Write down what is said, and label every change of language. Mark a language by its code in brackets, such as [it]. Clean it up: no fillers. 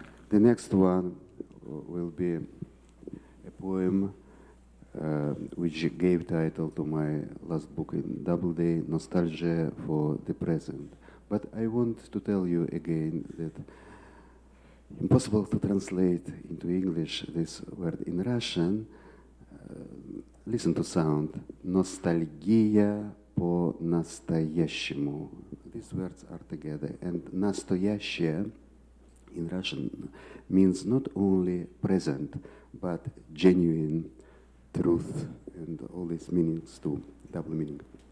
[en] The next one will be a poem which gave title to my last book in Doubleday, Nostalgia for the Present. But I want to tell you again that impossible to translate into English this word in Russian. Listen to sound. [ru] Ностальгия по настоящему. [en] These words are together. And настоящее in Russian means not only present, but genuine, truth, and all these meanings too, double meaning.